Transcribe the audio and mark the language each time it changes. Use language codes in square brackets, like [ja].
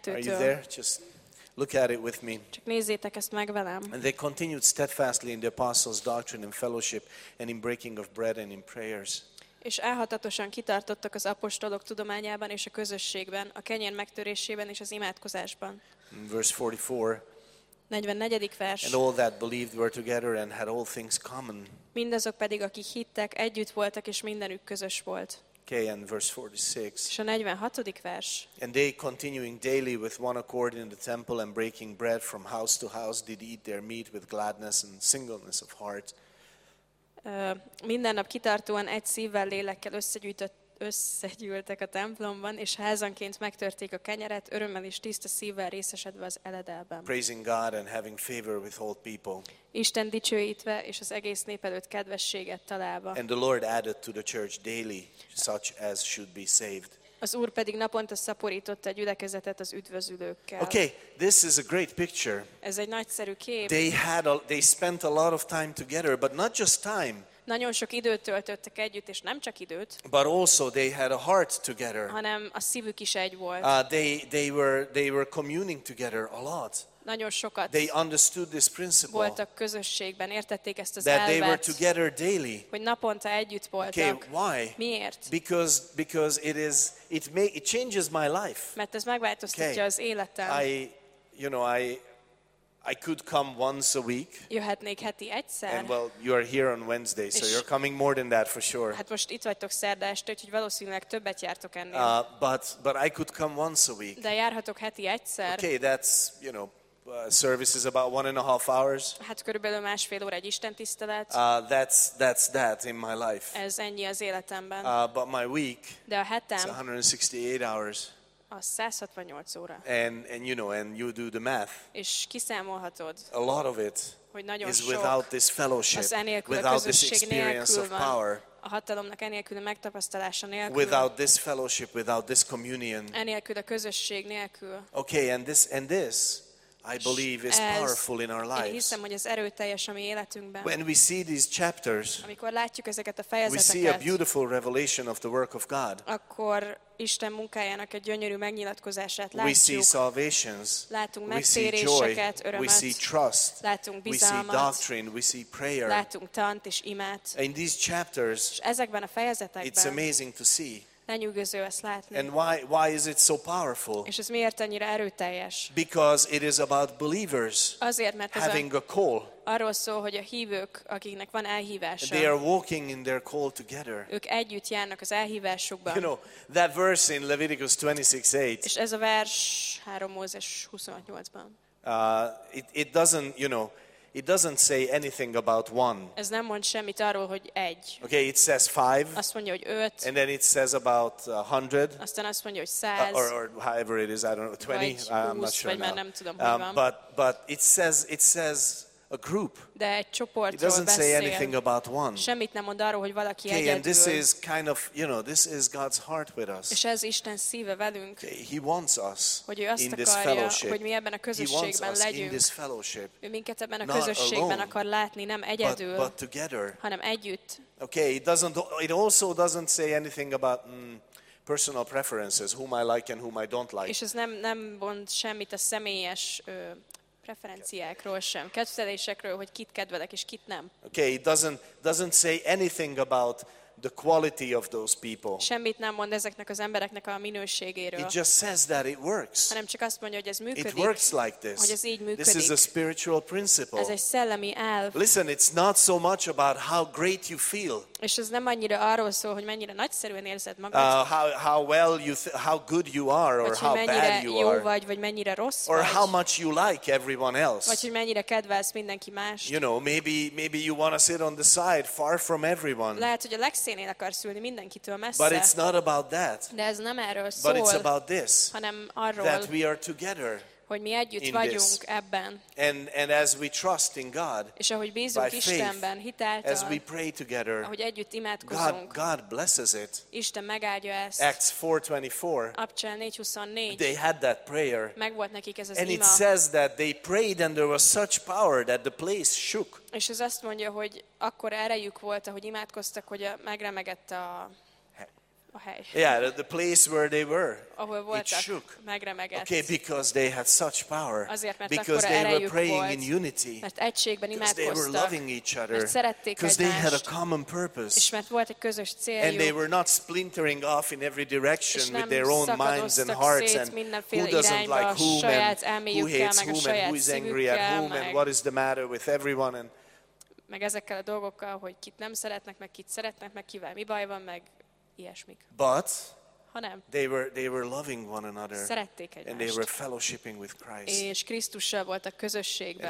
[en] Are you there? Just look at it with me. [hu] Csak nézzétek ezt meg velem. [en] And they continued steadfastly in the apostles' doctrine and fellowship and in breaking of bread and in prayers. [hu] És elhatatosan kitartottak az apostolok tudományában és a közösségben, a kenyér megtörésében és az imádkozásban. [en] Verse 44. [hu] 44. vers. [en] And all that believed were together and had all things common. [hu] Mindazok pedig, akik hittek, együtt voltak és mindenük közös volt. [en] Okay, and verse 46. [hu] És a 46. vers. [en] And they continuing daily with one accord in the temple and breaking bread from house to house did eat their meat with gladness and singleness of heart. [hu] Minden nap kitartóan egy szívvel lélekkel összegyűltek a templomban, és házanként megtörték a kenyeret, örömmel és tiszta szívvel részesedve az eledelben. [en] Praising God and having favor with all people. [hu] Isten dicsőítve és az egész nép előtt kedvességet találva. [en] And the Lord added to the church daily such as should be saved. [hu] Az Úr pedig naponta szaporította a gyülekezetet az üdvözülőkkel. [en] Okay, this is a great picture. [hu] Ez egy nagyszerű kép. [en] They spent a lot of time together, but not just time. [hu] Nagyon sok időt töltöttek együtt, és nem csak időt. [en] But also they had a heart together. [hu] Hanem a szívük is egy volt. [en] They were communing together a lot. [hu] Nagyon sokat. [en] They understood this principle. [hu] Voltak közösségben, értették ezt az elvet. [en] That they were together daily. [hu] Hogy naponta együtt voltak. [en] Okay, why? [hu] Miért? [en] Because it changes my life. [hu] Mert ez megváltoztatja okay. az életem. [en] I could come once a week. [hu] Jöhetnék heti egyszer. [en] And well, you are here on Wednesday, so you're coming more than that for sure. [hu] Hát most itt vagytok szerda este, úgyhogy valószínűleg többet jártok ennél. [en] But I could come once a week. [hu] De járhatok heti egyszer. [en] Okay, that's, you know, service is about 1.5 hours. [hu] Hát körülbelül másfél óra egy istentisztelet. [en] That's that in my life. [hu] Ez ennyi az életemben. [en] But my week. [hu] De a hetem. [en] It's 168 hours. [hu] A 168 óra. [en] And you know, and you do the math. [hu] És kiszámolhatod. [en] A lot of it is without this fellowship, without this experience of power. [hu] A hatalomnak enélkül, a megtapasztalása nélkül. [en] Without this fellowship, without this communion. [hu] Enélkül, a közösség nélkül. [en] Okay, and this, I believe, is powerful in our lives. [hu] Én hiszem, hogy ez erőteljes a mi életünkben. [en] When we see these chapters, [hu] amikor látjuk ezeket a fejezeteket, [en] we see a beautiful revelation of the work of God. [hu] Akkor Isten munkájának egy gyönyörű megnyilatkozását látjuk. [en] We see salvations. [hu] Látunk megtéréseket, örömet. [en] We see trust. [hu] Látunk bizalmat. [en] We see doctrine. We see prayer. [hu] Látunk tant és imát. [en] In these chapters, [hu] és ezekben a fejezetekben, [en] it's amazing to see. [hu] Lenyűgöző ezt látni. [en] And why is it so powerful? [hu] És ez miért annyira erőteljes? [en] Because it is about believers. [hu] Azért, mert [en] having a call. [hu] Arról szól, hogy a hívők, akiknek van elhívása. [en] They are walking in their call together. [hu] Ők együtt járnak az elhívásukban. [en] You know, that verse in Leviticus 26:8. [hu] És ez a vers 3 Mózes 28-ban. [en] It doesn't, you know, it doesn't say anything about one. [hu] Ez nem mond semmit arról, hogy egy. [en] Okay, it says five. [hu] Azt mondja, hogy öt. [en] And then it says about 100. [hu] Aztán azt mondja, hogy 100. [en] Or however it is, I don't know, 20. [hu] Vagy [en] 20, I'm not sure [hu] vagy [en] now. [hu] Már nem tudom, hogy van. [en] But it says a group. [hu] De egy csoportról beszél. [en] It doesn't say anything about one. [hu] Semmit nem mond arról, hogy valaki okay, egyedül. [en] And this is kind of, you know, this is God's heart with us. [hu] És ez Isten szíve velünk. [en] Okay, he wants us [hu] hogy ő azt [en] in [hu] akarja, [en] this fellowship. [hu] Hogy mi ebben a közösségben [en] he wants us [hu] legyünk. [en] In this fellowship. [hu] Ő minket ebben a közösségben [en] alone, [hu] akar látni, nem egyedül, [en] but together. [hu] Hanem együtt. [en] Okay, it also doesn't say anything about personal preferences, whom I like and whom I don't like. [hu] És ez nem mond semmit a személyes preferenciákról sem, kedvelésekről, hogy kit kedvelek és kit nem. [en] Okay, it doesn't say anything about the quality of those people. [hu] Semmit nem mond ezeknek az embereknek a minőségéről. [en] It just says that it works. [hu] Hanem csak azt mondja, hogy ez működik. [en] It works like this. [hu] Hogy ez így működik. [en] This is a spiritual principle. [hu] Ez egy szellemi elv. [en] Listen, it's not so much about how great you feel. [hu] És ez nem annyira arról szól, hogy mennyire nagyszerűen érzed magad. [en] How good you are or how bad you are. [hu] Vagy mennyire jó vagy mennyire rossz [en] or [hu] vagy. [en] How much you like everyone else. [hu] Vagy hogy mennyire kedvelsz mindenki más. [en] You know, maybe you want to sit on the side far from everyone. [hu] Lehet, hogy a legszebb szélén akarsz ülni mindenkitől messze. [en] But it's not about that. [hu] De ez nem erről szól. [en] But it's about this. [hu] Hanem arról, [en] that we are together. [hu] Hogy mi együtt vagyunk ebben. [en] And as we trust in God, [hu] és ahogy bízunk Istenben, hitáltal, [en] as we pray together, [hu] ahogy együtt imádkozunk, [en] God blesses it. [hu] Isten megáldja ezt. [en] Acts 4:24. [hu] Apcsán 4:24. [en] They had that prayer. [hu] Megvolt nekik ez az ima. [en] And it says that they prayed and there was such power that the place shook. [hu] És ez azt mondja, hogy akkor erejük volt, ahogy imádkoztak, hogy megremegett a hely. [en] Yeah, the place where they were, [hu] ahol voltak, [en] it shook. [hu] Megremegett. [en] Okay, because they had such power. [hu] Azért, mert [en] because they were praying [hu] volt, [en] in unity. [hu] Mert egységben imádkoztak. [en] Because they were loving each other. Because they had a common purpose. [hu] És mert volt egy közös céljuk. [en] And they were not splintering off in every direction with their own minds and hearts and who doesn't like whom and who hates whom and who is angry at whom and what is the matter with everyone and. [hu] Meg ezekkel a dolgokkal, hogy kit nem szeretnek, meg kit szeretnek, meg kivel mi baj van, meg. [en] But [hu] hanem, [en] they were loving one another, [hu] szerették egymást, [en] and they were fellowshipping with Christ. [hu] És Krisztussal voltak közösségben.